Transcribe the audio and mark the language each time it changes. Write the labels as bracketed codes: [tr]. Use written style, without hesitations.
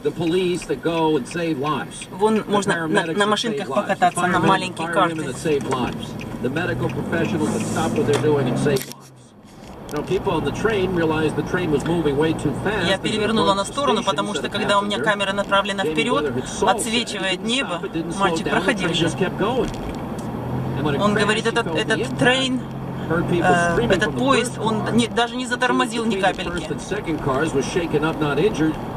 [ru] Вон можно на машинках покататься, на маленькие карты. [en] The medical professionals that stop what they're doing and save lives. Now, people on the train realized the train was moving way too fast. [ru] Я перевернула на сторону, потому что когда у меня камера направлена вперед, отсвечивает небо. Мальчик проходил же. Он говорит, этот train, этот поезд, он даже не затормозил ни капельки.